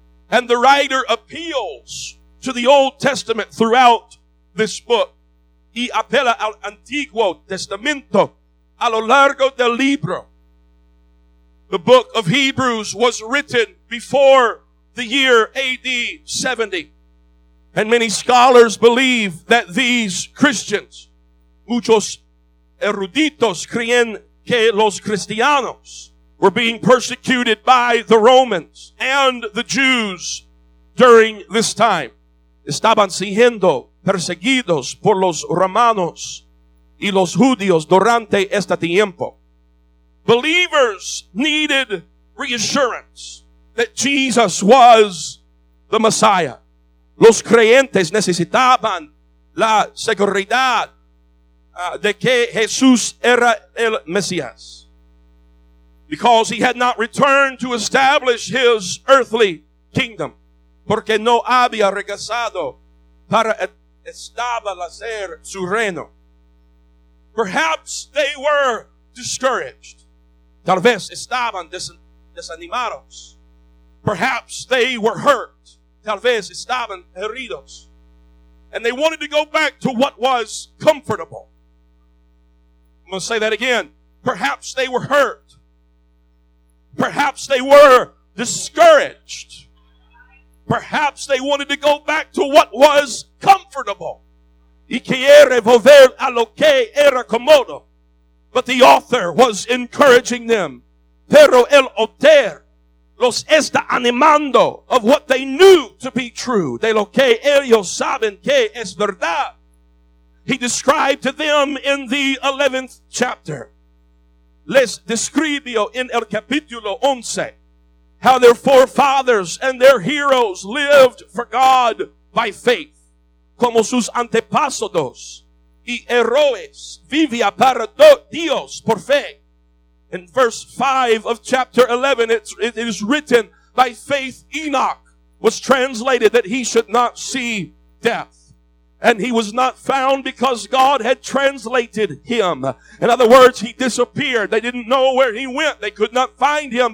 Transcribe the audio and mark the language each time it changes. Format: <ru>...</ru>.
<en>And the writer appeals to the Old Testament throughout this book.</en> <es>Y apela al Antiguo Testamento a lo largo del libro.</es> <en>The book of Hebrews was written before the year AD 70. And many scholars believe that these Christians,</en> <es>muchos eruditos creen que los cristianos,</es> <en>were being persecuted by the Romans and the Jews during this time.</en> <es>Estaban siendo perseguidos por los romanos y los judíos durante este tiempo.</es> <en>Believers needed reassurance that Jesus was the Messiah.</en> <es>Los creyentes necesitaban la seguridad de que Jesús era el Mesías.</es> <en>Because he had not returned to establish his earthly kingdom.</en> <es>Porque no había regresado para establecer su reino.</es> <en>Perhaps they were discouraged.</en> <es>Tal vez estaban desanimados.</es> <en>Perhaps they were hurt.</en> <es>Tal vez estaban heridos.</es> <en>And they wanted to go back to what was comfortable. I'm going to say that again. Perhaps they were hurt. Perhaps they were discouraged. Perhaps they wanted to go back to what was comfortable.</en> <es>Y quiere volver a lo que era cómodo.</es> <en>But the author was encouraging them.</en> <es>Pero el autor los está animando</es> <en>of what they knew to be true.</en> <es>De lo que ellos saben que es verdad.</es> <en>He described to them in the 11th chapter.</en> <es>Les describió en el capítulo 11.</es> <en>How their forefathers and their heroes lived for God by faith.</en> <es>Como sus antepasados y héroes vivía para Dios por fe.</es> <en>In verse 5 of chapter 11, it is written, by faith Enoch was translated that he should not see death. And he was not found because God had translated him. In other words, he disappeared. They didn't know where he went. They could not find him.</en>